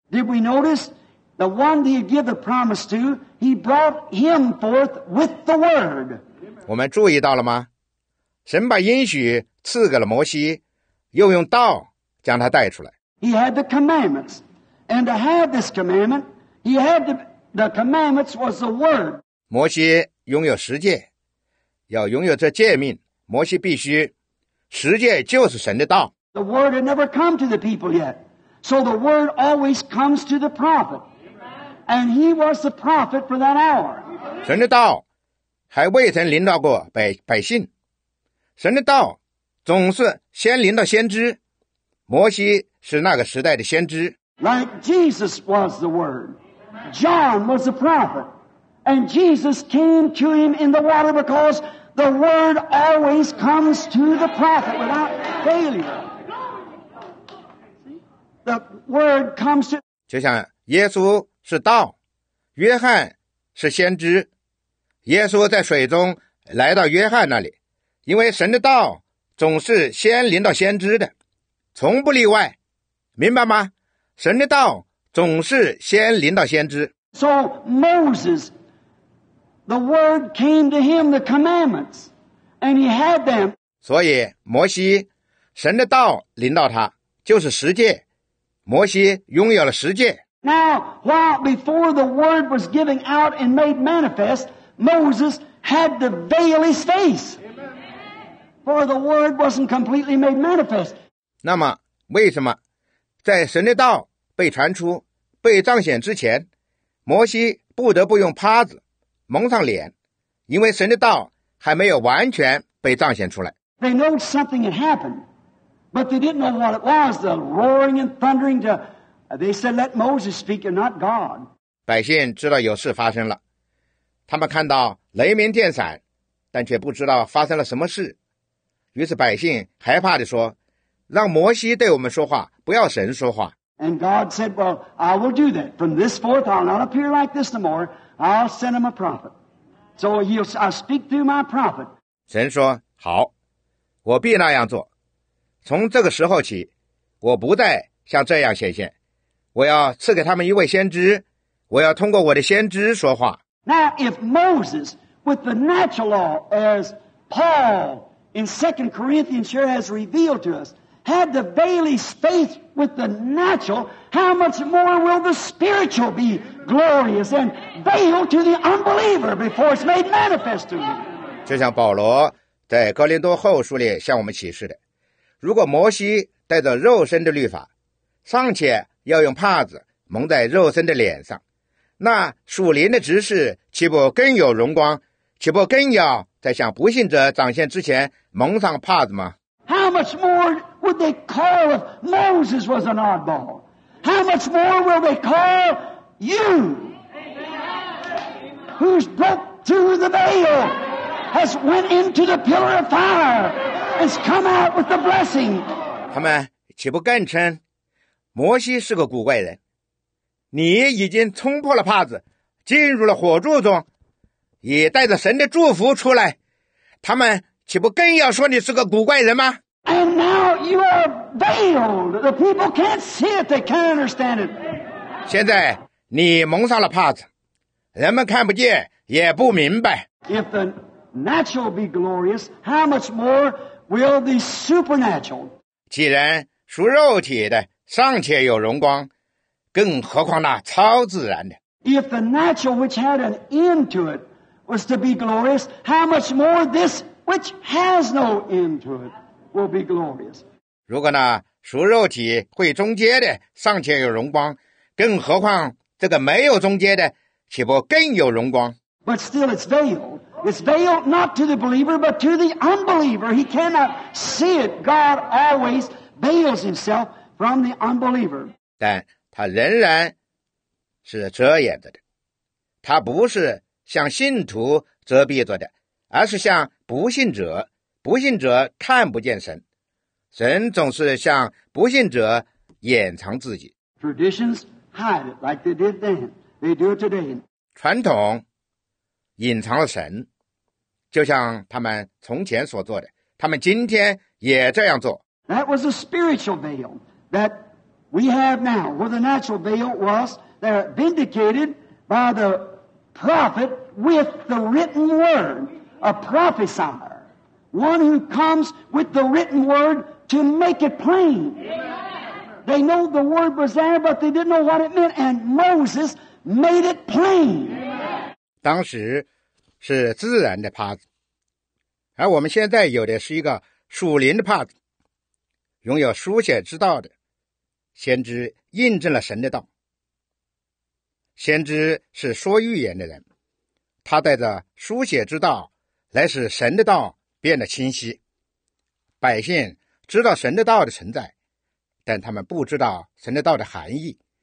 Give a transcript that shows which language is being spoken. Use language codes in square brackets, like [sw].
[en] Did we notice? The one he had given the promise to, he brought him forth with the word. [zh] 我们注意到了吗？神把应许赐给了摩西，又用道将他带出来。 [en] He had the commandments, and to have this commandment, he had the commandments was the word. [zh] 摩西拥有十诫，要拥有这诫命，摩西必须，十诫就是神的道。 [en] The word had never come to the people yet, so the word always comes to the prophet. And he was the prophet for that hour. [zh] 神的道还未曾临到过百姓。神的道总是先临到先知。摩西是那个时代的先知。 [en] Like Jesus was the word. John was the prophet. And Jesus came to him in the water because the word always comes to the prophet without failure. The word comes to... [zh] 就像耶稣是道，约翰是先知。耶稣在水中来到约翰那里，因为神的道总是先临到先知的，从不例外，明白吗？神的道总是先临到先知。 [en] So Moses, the word came to him, the commandments, and he had them. [zh] 所以摩西，神的道临到他，就是十诫。摩西拥有了十诫。 [en] Now, while before the word was giving out and made manifest, Moses had to veil his face. For the word wasn't completely made manifest. [zh] 那么为什么在神的道被传出被彰显之前，摩西不得不用帕子蒙上脸，因为神的道还没有完全被彰显出来。 [en] They know something had happened, but they didn't know what it was. The roaring and thundering to, they said, let Moses speak and not God. [zh] 百姓知道有事发生了，他们看到雷鸣电闪，但却不知道发生了什么事。于是百姓害怕地说，让摩西对我们说话，不要神说话。 [en] And God said, well, I will do that. From this forth, I'll not appear like this no more. I'll send him a prophet. So I'll speak through my prophet. [zh] 神说，好，我必那样做。从这个时候起，我不再像这样显现。我要赐给他们一位先知，我要通过我的先知说话。 [en] Now, if Moses, with the natural law, as Paul in 2 Corinthians sure has revealed to us,had the veil his faith with the natural, how much more will the spiritual be glorious and veiled to the unbeliever before it's made manifest to him? [zh] 就像保罗在哥林多后书里向我们启示的，如果摩西带着肉身的律法，尚且要用帕子蒙在肉身的脸上，那属灵的执事岂不更有荣光，岂不更要在向不信者展现之前蒙上帕子吗？ [en] How much more would they call if Moses was an oddball? How much more will they call you? Who's broke through the veil, has went into the pillar of fire, has come out with the blessing. [zh] 他们岂不更称摩西是个古怪人，你已经冲破了帕子，进入了火柱中，也带着神的祝福出来，他们岂不更要说你是个古怪人吗？ [en] And now you are veiled. The people can't see it. They can't understand it. [zh] 现在你蒙上了帕子，人们看不见，也不明白。 [en] If the natural be glorious, how much more will the supernatural? [zh] 既然属肉体的尚且有荣光，更何况那超自然的。 [en] If the natural which had an end to it was to be glorious, how much more this which has no end to it? Will be glorious. [zh] 如果呢属肉体会终结的尚且有荣光，更何况这个没有终结的岂不更有荣光？ [en] But still it's veiled. It's veiled not to the believer, but to the unbeliever. He cannot see it. God always veils himself from the unbeliever. [zh] 但他仍然是遮掩着的，他不是向信徒遮蔽着的，而是向不信者，不信者看不见神，神总是向不信者掩藏自己。 [en] Traditions hide it like they did then; they do it today. [zh] 传统隐藏了神，就像他们从前所做的，他们今天也这样做。 [en] That was a spiritual veil that we have now, where the natural veil was there vindicated by the prophet with the written word, a prophesier. One who comes with the written word to make it plain. They know the word was there, but they didn't know what it meant. And Moses made it plain. [zh] 当时是自然的帕子，而我们现在有的是一个属灵的帕子，拥有书写之道的先知印证了神的道。先知是说预言的人，他带着书写之道来使神的道变得清晰，百姓知道神的道的存在，但他们不知道神的道的含义。